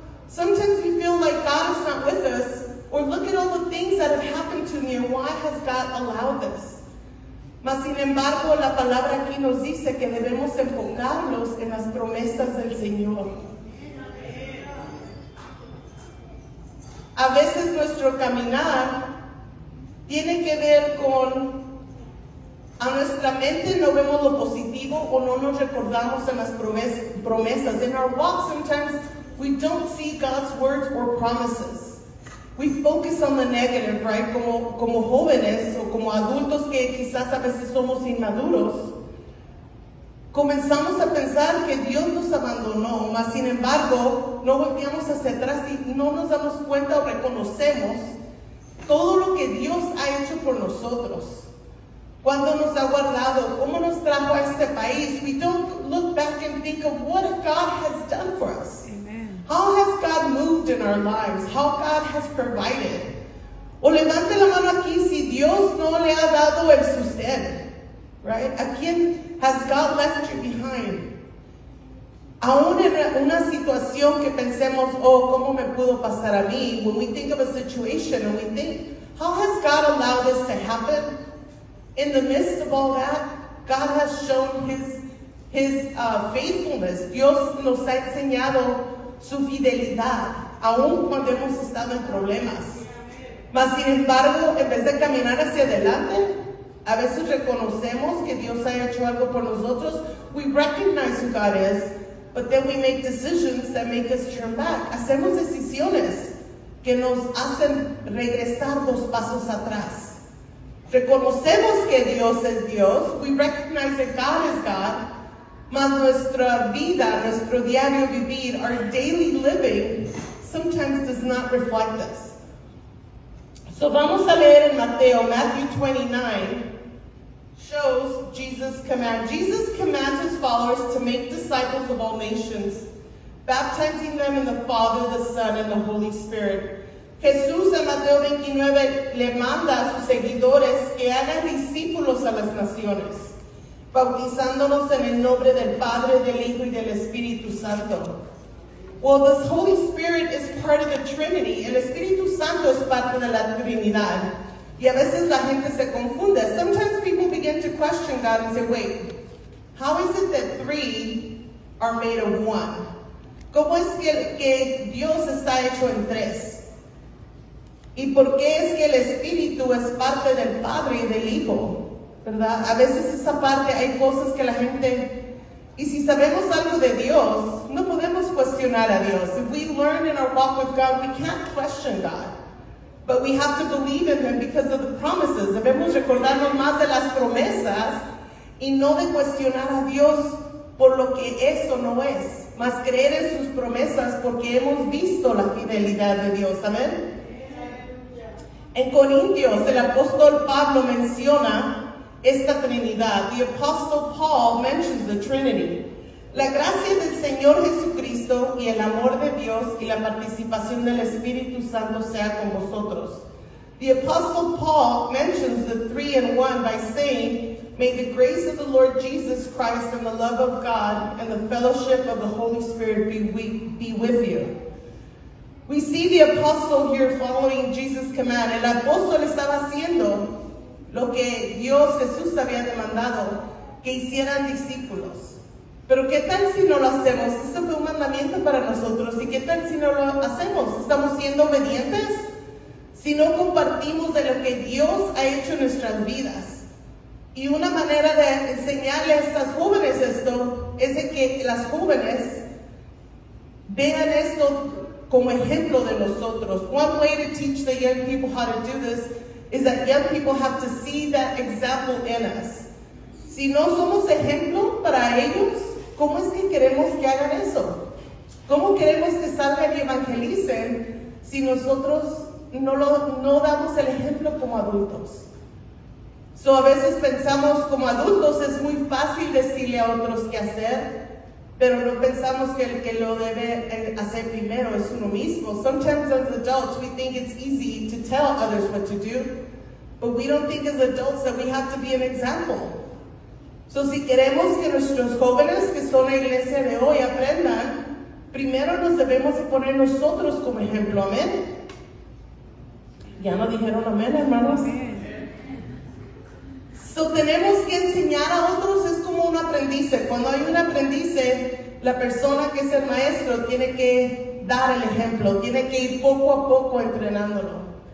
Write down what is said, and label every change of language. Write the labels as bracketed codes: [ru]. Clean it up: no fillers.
[en] Sometimes we feel like God is not with us. Or look at all the things that have happened to me and why has God allowed this? [es] Mas sin embargo, la palabra aquí nos dice que debemos enfocarnos en las promesas del Señor. A veces nuestro caminar tiene que ver con a nuestra mente no vemos lo positivo o no nos recordamos en las promesas. [en] In our walk, sometimes we don't see God's words or promises. We focus on the negative, right? [es] Como jóvenes o como adultos que quizás a veces somos inmaduros, comenzamos a pensar que Dios nos abandonó, mas sin embargo, no volteamos hacia atrás y no nos damos cuenta o reconocemos todo lo que Dios ha hecho por nosotros. ¿Cuándo nos ha guardado? ¿Cómo nos trajo a este país? [en] We don't look back and think of what God has done for us. How has God moved in our lives? How God has provided? [es] O levante la mano aquí si Dios no le ha dado el sustento. [en] Right? [es] ¿A quién [en] has God left you behind? [es] Aún en una situación que pensemos, oh, ¿cómo me pudo pasar a mí? [en] When we think of a situation and we think, how has God allowed this to happen? In the midst of all that, God has shown his faithfulness. [es] Dios nos ha enseñado su fidelidad, aun cuando hemos estado en problemas. Mas sin embargo, en vez de caminar hacia adelante, A veces reconocemos que Dios ha hecho algo por nosotros. [en] We recognize who God is, but then we make decisions that make us turn back. [es] Hacemos decisiones que nos hacen regresar dos pasos atrás. Reconocemos que Dios es Dios. [en] We recognize that God is God. [es] Mas nuestra vida, nuestro diario vivir, [en] our daily living, sometimes does not reflect this. [es] So vamos a leer en Mateo, Matthew 29, [en] shows Jesus' command. Jesus commands his followers to make disciples of all nations, baptizing them in the Father, the Son, and the Holy Spirit. [es] Jesús en Mateo 29 le manda a sus seguidores que hagan discípulos a las naciones, bautizándolos en el nombre del Padre, del Hijo, y del Espíritu Santo. [en] Well, the Holy Spirit is part of the Trinity. [es] El Espíritu Santo es parte de la Trinidad. Y a veces la gente se confunde. [en] Sometimes people begin to question God and say, wait, how is it that three are made of one? [es] ¿Cómo es que Dios está hecho en tres? ¿Y por qué es que el Espíritu es parte del Padre y del Hijo? ¿Verdad? A veces esa parte hay cosas que la gente... Y si sabemos algo de Dios, no podemos cuestionar a Dios. [en] If we learn in our walk with God, we can't question God. But we have to believe in Him because of the promises. [es] Debemos recordarnos más de las promesas y no de cuestionar a Dios por lo que es o no es. Más creer en sus promesas porque hemos visto la fidelidad de Dios. ¿Amén? En Corintios, el apóstol Pablo menciona esta Trinidad. [en] The Apostle Paul mentions the Trinity. [es] La gracia del Señor Jesucristo y el amor de Dios y la participación del Espíritu Santo sea con vosotros. [en] The Apostle Paul mentions the three in one by saying, may the grace of the Lord Jesus Christ and the love of God and the fellowship of the Holy Spirit be with you. We see the Apostle here following Jesus' command. [es] El apóstol estaba haciendo lo que Dios Jesús había demandado, que hicieran discípulos. Pero ¿qué tal si no lo hacemos? Este fue un mandamiento para nosotros. ¿Y qué tal si no lo hacemos? ¿Estamos siendo obedientes? Si no compartimos de lo que Dios ha hecho en nuestras vidas. Y una manera de enseñarle a estas jóvenes esto es de que las jóvenes vean esto como ejemplo de nosotros. [en] One way to teach the young people how to do this is that young people have to see that example in us. [es] Si no somos ejemplo para ellos, ¿cómo es que queremos que hagan eso? ¿Cómo queremos que salgan y evangelicen si nosotros no damos el ejemplo como adultos? So a veces pensamos como adultos es muy fácil decirle a otros qué hacer, pero no pensamos que el que lo debe hacer primero es uno mismo. [en] Sometimes as adults, we think it's easy to tell others what to do, but we don't think as adults that we have to be an example. [es] So si queremos que nuestros jóvenes, que son la iglesia de hoy, aprendan, primero nos debemos de poner nosotros como ejemplo. ¿Amén? ¿Ya no dijeron amén, hermanos? So tenemos que enseñar a otros, es como un aprendiz. Cuando hay un aprendiz, la persona que es el maestro tiene que dar el ejemplo, tiene que ir poco a poco entrenándolo.